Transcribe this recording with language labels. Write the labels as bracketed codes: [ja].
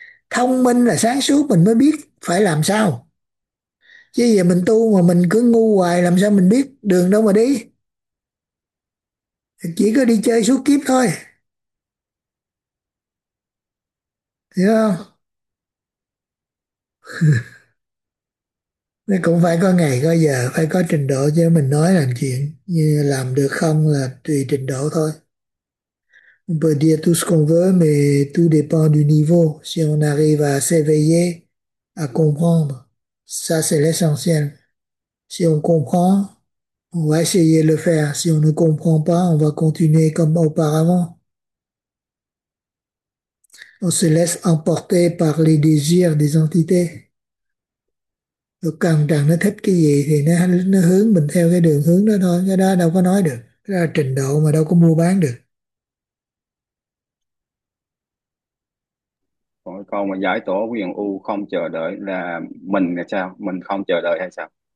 [vi] Thông minh là sáng suốt, mình mới biết phải làm sao. Chứ giờ mình tu mà mình cứ ngu hoài làm sao mình biết đường đâu mà đi, chỉ có đi chơi suốt kiếp thôi, hiểu không? Nên cũng phải có ngày có giờ, phải có trình độ chứ, mình nói làm chuyện như làm được không là tùy trình độ thôi. [fr] On peut dire tout ce qu'on veut, mais tout dépend du niveau. Si on arrive à s'éveiller, à comprendre, ça c'est l'essentiel. Si on comprend, on va essayer de le faire. Si on ne comprend pas, on va continuer comme auparavant. On se laisse emporter par les désirs des entités. [vi] Được, càng càng nó thích cái gì thì nó hướng mình theo cái đường hướng đó thôi, cái đó đâu có nói được, cái đó là trình độ mà đâu có mua bán được. Còn mà giải tỏa quyền u không chờ đợi là mình là sao, mình không chờ đợi hay sao?